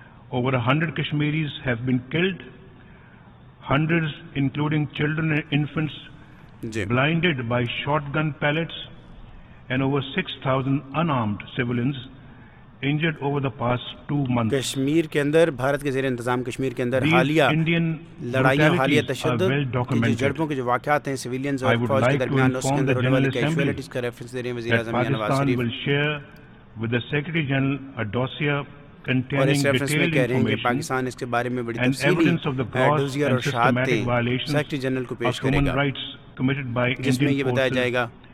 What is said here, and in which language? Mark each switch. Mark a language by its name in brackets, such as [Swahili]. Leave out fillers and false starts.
[English] Over 100 Kashmiris have been killed, hundreds including children and infants blinded by shotgun pellets, and over 6,000 unarmed civilians injured over the past 2 months. [Urdu] Kashmir کے اندر بھارت کے زیر انتظام کشمیر کے اندر حالیہ لڑائیاں حالیہ تشدد کی جو جھڑپوں کے جو واقعات ہیں سویلینز اور فوج کے درمیان اس کے اندر ہونے والی کیژوالٹیز کا ریفرنس دے رہے ہیں وزیر اعظم Mian Nawaz Sharif. [English] will share with the secretary general a dossier [Urdu] اور اس ریفرنس میں کہہ رہے ہیں کہ پاکستان اس کے بارے میں بڑی تفصیلی ڈوزیر اور شہادتیں سیکرٹری جنرل کو پیش کرے گا جس میں یہ بتایا جائے گا